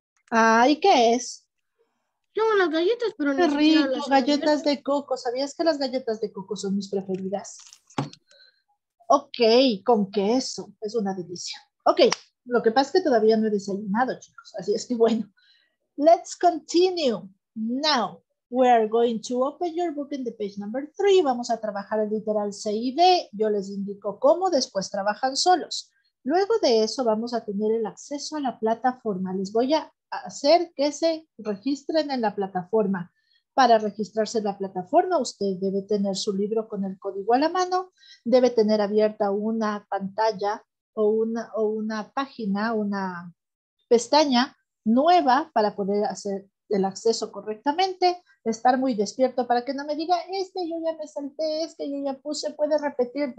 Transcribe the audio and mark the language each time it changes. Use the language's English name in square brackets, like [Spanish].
[Spanish] Ay, ¿qué es? Tengo las galletas, pero no. Qué rico, galletas de coco. ¿Sabías que las galletas de coco son mis preferidas? Ok, con queso. Es una delicia. Ok, lo que pasa es que todavía no he desayunado, chicos. Así es que bueno. [English] Let's continue. Now, we are going to open your book in the page number 3. [Spanish] Vamos a trabajar el literal C y D. Yo les indico cómo, después trabajan solos. Luego de eso, vamos a tener el acceso a la plataforma. Les voy a hacer que se registren en la plataforma. Para registrarse en la plataforma, usted debe tener su libro con el código a la mano, debe tener abierta una pantalla o una página, una pestaña nueva para poder hacer el acceso correctamente, estar muy despierto para que no me diga, es que yo ya me salté, es que yo ya puse, puede repetir.